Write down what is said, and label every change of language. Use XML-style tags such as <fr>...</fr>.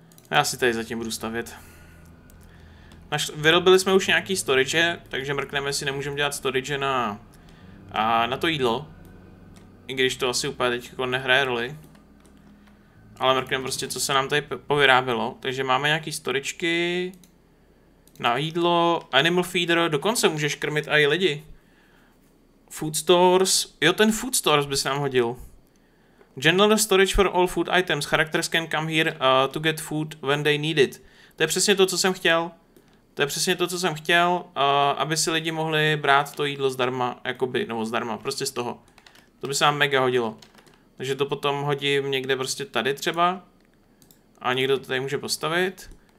<cs>Já si tady zatím budu stavět. Vyrobili jsme už nějaký storage, takže mrkneme si, nemůžeme dělat storage na, a na to jídlo. I když to asi úplně teď jako nehraje roli. Ale mrkneme prostě, co se nám tady povyrábilo. Takže máme nějaký storičky na jídlo, animal feeder, dokonce můžeš krmit i lidi. Food stores, jo, ten food stores by se nám hodil.</cs> <en>General storage for all food items, characters can come here to get food when they need it.</en> <cs>To je přesně to, co jsem chtěl. To je přesně to, co jsem chtěl, aby si lidi mohli brát to jídlo zdarma, jakoby, nebo zdarma, prostě z toho. To by se nám mega hodilo. Takže to potom hodím někde prostě tady třeba. A někdo to tady může postavit.</cs>